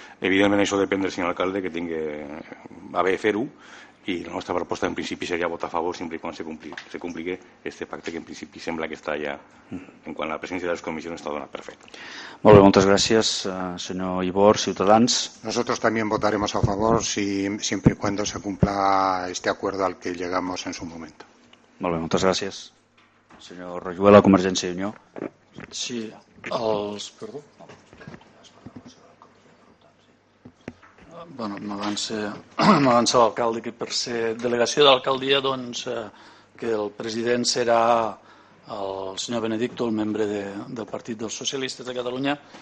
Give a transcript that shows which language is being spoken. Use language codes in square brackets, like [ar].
[ca] Evidentment això depèn del senyor alcalde, que tingui a bé fer-ho, i la nostra proposta en principi seria votar a favor sempre quan se compli aquest pacte, que en principi sembla que està ja, en quant a la presència de les comissions, està donat per fet. Molt bé, moltes gràcies, senyor Ibor, Ciutadans. [es] Nosotros también votaremos a favor siempre y cuando se cumpla este acuerdo al que llegamos en su momento. [ca] Molt bé, moltes gràcies. Senyor Rajuela, Convergència i Unió. Sí, els... Perdó. Bueno, m'avança l'alcalde que per ser delegació d'alcaldia, doncs que el president serà el senyor Benedicto, el membre del Partit dels Socialistes de Catalunya.